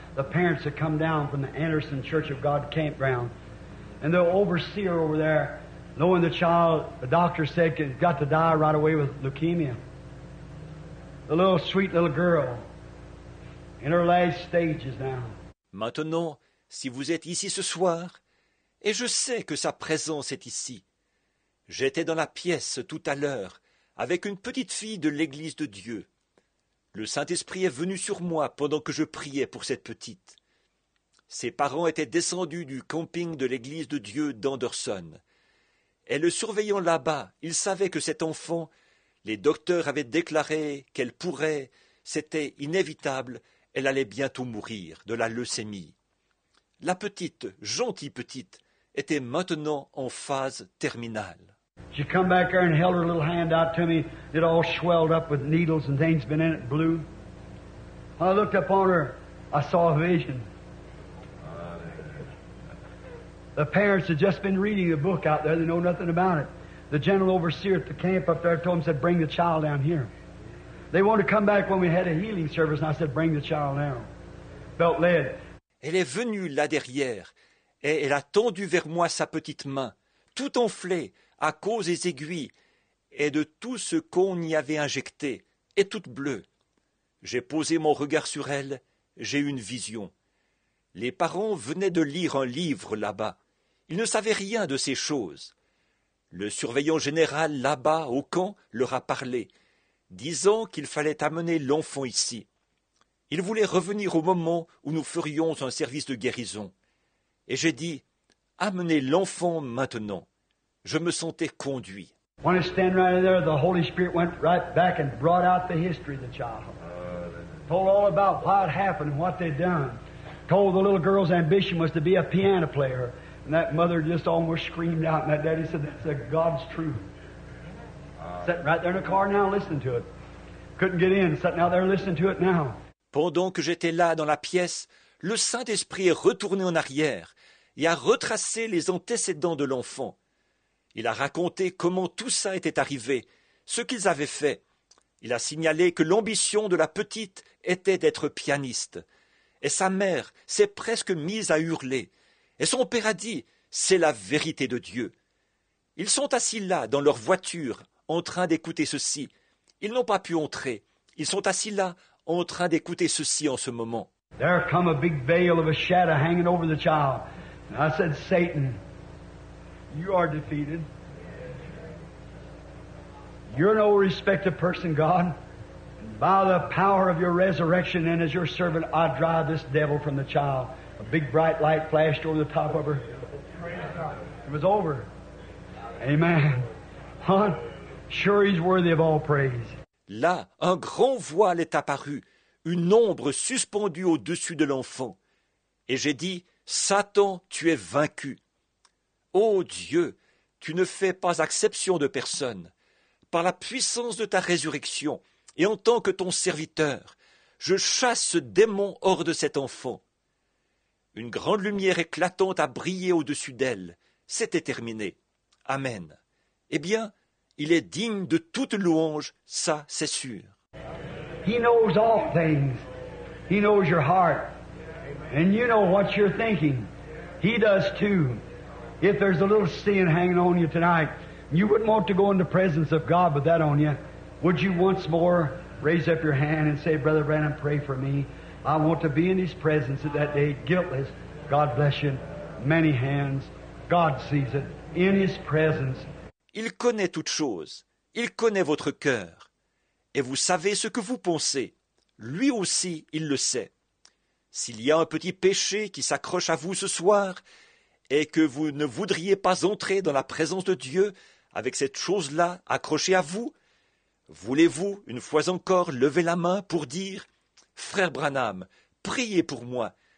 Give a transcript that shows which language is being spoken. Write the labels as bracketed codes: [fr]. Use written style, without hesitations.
[en] The parents had come down from the Anderson Church of God campground, and the overseer over there, knowing the child, the doctor said, he's got to die right away with leukemia. The little sweet little girl, in her last stages now. [fr] Maintenant, si vous êtes ici ce soir, et je sais que sa présence est ici, j'étais dans la pièce tout à l'heure avec une petite fille de l'Église de Dieu. Le Saint-Esprit est venu sur moi pendant que je priais pour cette petite. Ses parents étaient descendus du camping de l'Église de Dieu d'Anderson. Et le surveillant là-bas, il savait que cet enfant, les docteurs avaient déclaré qu'elle pourrait, c'était inévitable, elle allait bientôt mourir de la leucémie. La petite, gentille petite, était maintenant en phase terminale. [en] She come back there and held her little hand out to me. It all swelled up with needles and things been in it blue. When I looked upon her, I saw a vision. The parents had just been reading a book out there. They know nothing about it. The general overseer at the camp up there told him, said, bring the child down here. They wanted to come back when we had a healing service, and I said, bring the child down. Felt led. [fr] Elle est venue là derrière, et elle a tendu vers moi sa petite main, tout enflée à cause des aiguilles et de tout ce qu'on y avait injecté, et toute bleue. J'ai posé mon regard sur elle, j'ai eu une vision. Les parents venaient de lire un livre là-bas. Ils ne savaient rien de ces choses. Le surveillant général là-bas, au camp, leur a parlé, disant qu'il fallait amener l'enfant ici. Il voulait revenir au moment où nous ferions un service de guérison. Et j'ai dit, « Amenez l'enfant maintenant. » Je me sentais conduit. [en] When I stand right there, the Holy Spirit went right back and brought out the history of the child. told all about what happened and what they'd done. Told the little girl's ambition was to be a piano player. And that mother just almost screamed out. And that daddy said, that's a God's truth. Sitting right there in the car now, listening to it. Couldn't get in. Sitting out there listening to it now. [fr] Pendant que j'étais là dans la pièce, le Saint-Esprit est retourné en arrière et a retracé les antécédents de l'enfant. Il a raconté comment tout ça était arrivé, ce qu'ils avaient fait. Il a signalé que l'ambition de la petite était d'être pianiste. Et sa mère s'est presque mise à hurler. Et son père a dit « C'est la vérité de Dieu ». Ils sont assis là, dans leur voiture, en train d'écouter ceci. Ils n'ont pas pu entrer. Ils sont assis là, en train d'écouter ceci en ce moment. [en] There come a big veil of a shadow hanging over the child. And I said, Satan, you are defeated. You're no respected person, God. And by the power of your resurrection and as your servant, I drive this devil from the child. A big bright light flashed over the top of her. It was over. Amen. Huh? Sure, he's worthy of all praise. [fr] Là, un grand voile est apparu, une ombre suspendue au-dessus de l'enfant. Et j'ai dit, « Satan, tu es vaincu. » Ô Dieu, tu ne fais pas exception de personne. Par la puissance de ta résurrection et en tant que ton serviteur, je chasse ce démon hors de cet enfant. Une grande lumière éclatante a brillé au-dessus d'elle. C'était terminé. Amen. Eh bien, il est digne de toute louange, ça c'est sûr. [en] He knows all things. He knows your heart. And you know what you're thinking. He does too. If there's a little sin hanging on you tonight, you wouldn't want to go in the presence of God with that on you. Would you once more raise up your hand and say, Brother Branham, pray for me. I want to be in his presence at that day, guiltless. God bless you. Many hands. God sees it. In his presence. [fr] Il connaît toutes choses. Il connaît votre cœur. Et vous savez ce que vous pensez. Lui aussi, il le sait. S'il y a un petit péché qui s'accroche à vous ce soir et que vous ne voudriez pas entrer dans la présence de Dieu avec cette chose-là accrochée à vous, voulez-vous une fois encore lever la main pour dire « Frère Branham, priez pour moi.